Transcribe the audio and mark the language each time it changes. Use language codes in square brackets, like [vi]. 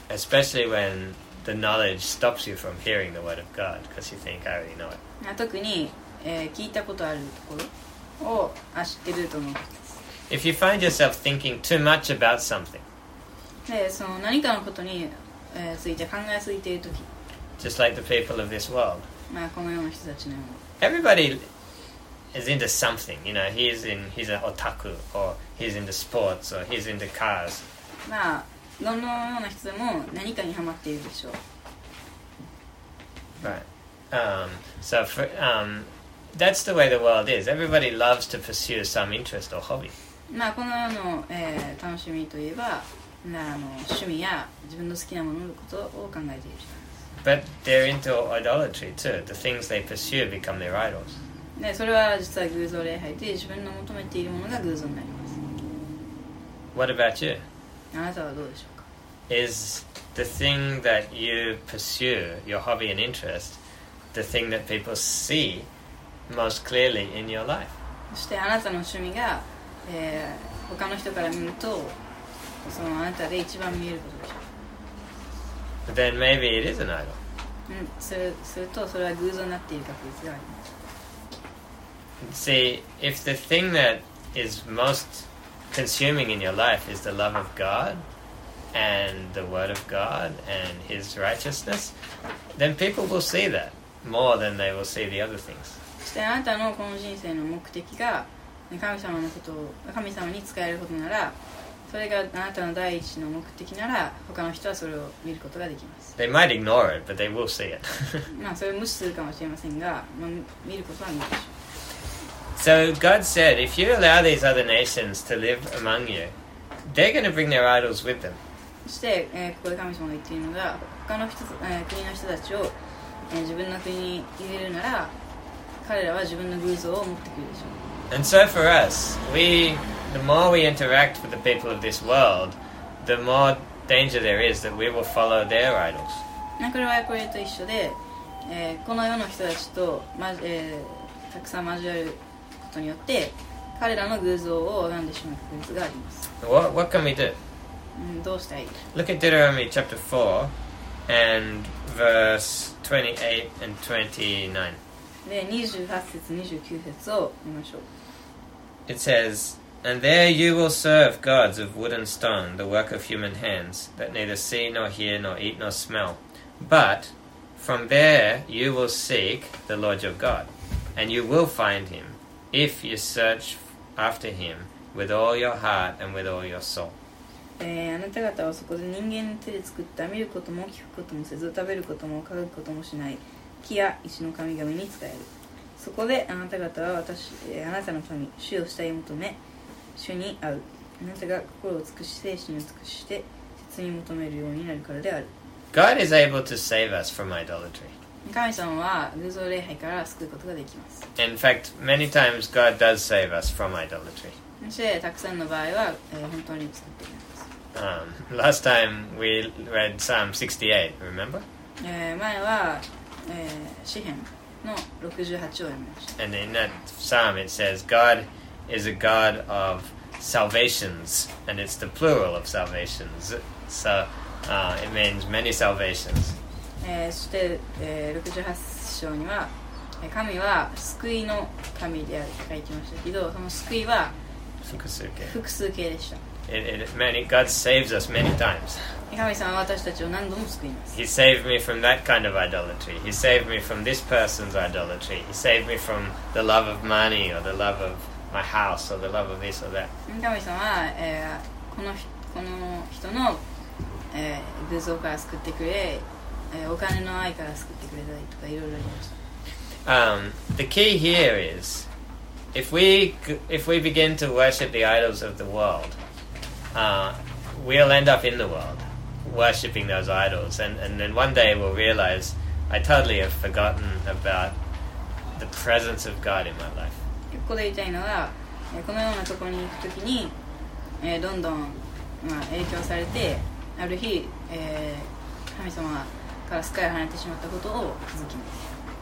[en] Especially when the knowledge stops you from hearing the word of God, because you think I already know it. [ja] 特に、聞いたことあるところを知ってると思います。 [en] If you find yourself thinking too much about something, [ja] でその何かのことについて考えすぎているとき、 [en] just like the people of this world, [ja] まあ、このような人たちのように、 [en] everybody is into something, you know, he's an otaku, or he's into sports, or he's into cars. [ja] まあ、どのような人でも何かにハマっているでしょう。 [en] Right. That's the way the world is. Everybody loves to pursue some interest or hobby. [ja] まあ、この世の、楽しみといえば、まあ、趣味や自分の好きなもののことを考えている人です。 [en] But they're into idolatry too. The things they pursue become their idols. [ja] ね、それは実は偶像礼拝で自分の求めているものが偶像になります。 [en] What about you? [ja] あなたはどうでしょうか? [en] Is the thing that you pursue, your hobby and interest, the thing that people see most clearly in your life? [ja] そしてあなたの趣味が、他の人から見るとそのあなたで一番見えることでしょうか? [en] Then maybe it is an idol. [ja] するとそれは偶像になっている確率があります。 [en] See, if the thing that is most consuming in your life is the love of God and the word of God and His righteousness, then people will see that more than they will see the other things. [ja] そしてあなたのこの人生の目的が神様に仕えることなら、それがあなたの第一の目的なら、他の人はそれを見ることができます。 [en] They might ignore it, but they will see it. [ja] まあそれを無視するかもしれませんが、まあ、見ることは見るでしょう。 [en] So God said, if you allow these other nations to live among you, they're going to bring their idols with them. [ja] そして、ここで神様が言っているのが、他の国の人たちを、自分の国に入れるなら、彼らは自分の偶像を持ってくるでしょう。 [en] And so for us, the more we interact with the people of this world, the more danger there is that we will follow their idols. [ja] これはこれと一緒で、この世の人たちと、たくさん交わる。によって彼らの偶像を拝んでしまう確率があります。 [en] What can we do? [ja] どうしたい? [en] Look at Deuteronomy chapter 4 and verse 28 and 29. [ja] で、28節、29節を見ましょう。 [en] It says, And there you will serve gods of wood and stone, the work of human hands, that neither see nor hear nor eat nor smell. But from there you will seek the Lord your God, and you will find him. If you search after him with all your heart and with all your soul. [ja] あなた方はそこで人間の手で作った見ることも聞くこともせず食べることも嗅ぐこともしない木や石の神々に仕える。そこであなた方は私、あなたの神主を慕い求め主に会う。あなたが心を尽くし精神を尽くして切に求めるようになるからである。 [en] God is able to save us from idolatry. [ja] 神様は偶像礼拝から救うことができます。 [en] In fact, many times God does save us from idolatry. [ja] そしてたくさんの場合は、本当に救っています。 [en] Last time we read Psalm 68, remember? [ja] 前は、詩編の68を読みました。 [en] And in that psalm it says, God is a God of salvations, and it's the plural of salvations. So it means many salvations. [ja] そして、68章には、神は救いの神であると書いてましたけど、その救いは複数形でした。 [en] God saves us many times. [ja] 神様は私たちを何度も救います。 [en] He saved me from that kind of idolatry. He saved me from this person's idolatry. He saved me from the love of money or the love of my house or the love of this or that. [ja] 神様は、この人の、偶像から救ってくれ、お金の愛から救ってくれたりとかいろいろあります。 [en] The key here is, if we begin to worship the idols of the world,we'll end up in the world worshipping those idols, and then one day we'll realize I totally have forgotten about the presence of God in my life. [ja] ここで言いたいのは、このようなところに行くときに、どんどん、影響されて、ある日、神様から救いを離れてしまったことを気づきます。